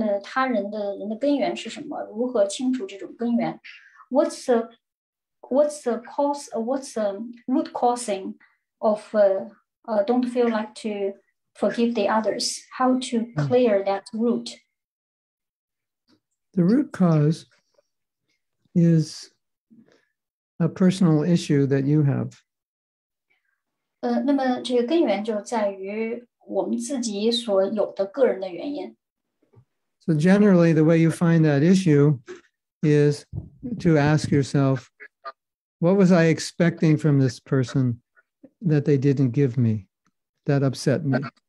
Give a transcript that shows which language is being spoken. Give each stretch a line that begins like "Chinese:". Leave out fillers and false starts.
Chinese: 不愿宽恕他人的根源是什么? 如何清除这种根源?
English: What's the root causing of don't feel like to forgive the others? How to clear that root? The root cause is a personal issue that you have.
Chinese: 那么这个根源就在于我们自己所有的个人的原因。
English: So generally, the way you find that issue is to ask yourself, what was I expecting from this person that they didn't give me, that upset me?